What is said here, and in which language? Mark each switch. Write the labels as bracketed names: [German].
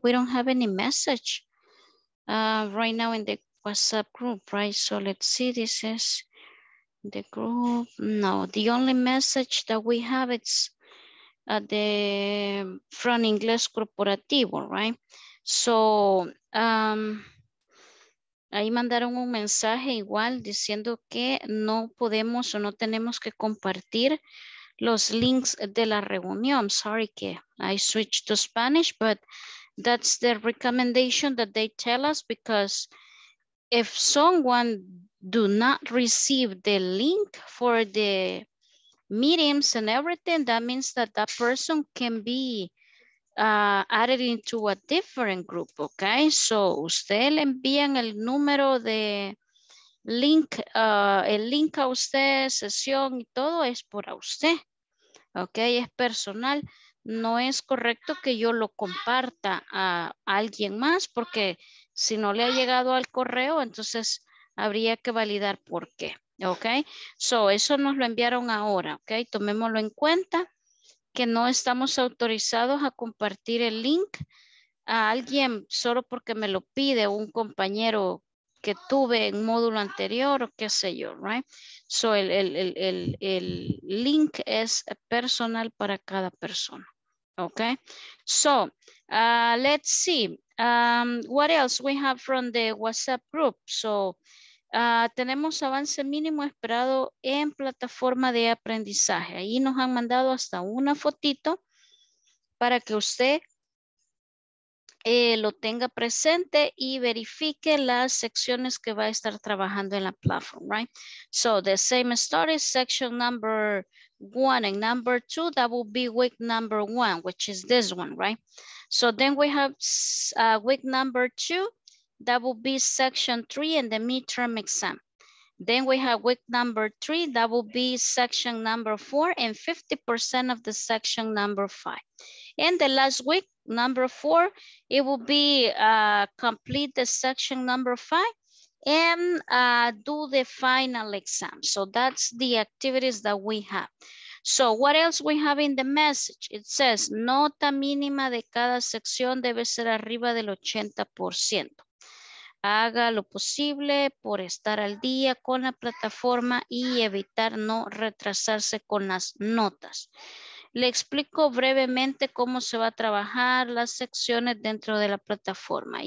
[English] We don't have any message right now in the WhatsApp group, right? So let's see, this is the group. No, the only message that we have, it's the from Ingles Corporativo, right? [Spanish] So ahí mandaron un mensaje igual diciendo que no podemos o no tenemos que compartir los links de la reunión. [English] Sorry que I switched to Spanish, but that's the recommendation that they tell us, because if someone do not receive the link for the meetings and everything, that means that that person can be added into a different group, okay? [Spanish] So usted le envían el número de link, el link a usted, sesión y todo es por a usted. Ok, es personal, no es correcto que yo lo comparta a alguien más, porque si no le ha llegado al correo, entonces habría que validar por qué. Ok, so eso nos lo enviaron ahora, ok, tomémoslo en cuenta que no estamos autorizados a compartir el link a alguien solo porque me lo pide un compañero que tuve en módulo anterior o qué sé yo, right? So el link es personal para cada persona, okay? [English] So let's see what else we have from the WhatsApp group. [Spanish] So tenemos avance mínimo esperado en plataforma de aprendizaje. Ahí nos han mandado hasta una fotito para que usted lo tenga presente y verifique las secciones que va a estar trabajando en la plataforma, right? [English] So the same story, section number one and number two, that will be week number one, which is this one, right? So then we have week number two, that will be section three and the midterm exam. Then we have week number three, that will be section number four and 50% of the section number five. And the last week, number four, it will be complete the section number five and do the final exam. So that's the activities that we have. So what else we have in the message? It says, [Spanish] nota mínima de cada sección debe ser arriba del 80%. Haga lo posible por estar al día con la plataforma y evitar no retrasarse con las notas. Le explico brevemente cómo se va a trabajar las secciones dentro de la plataforma.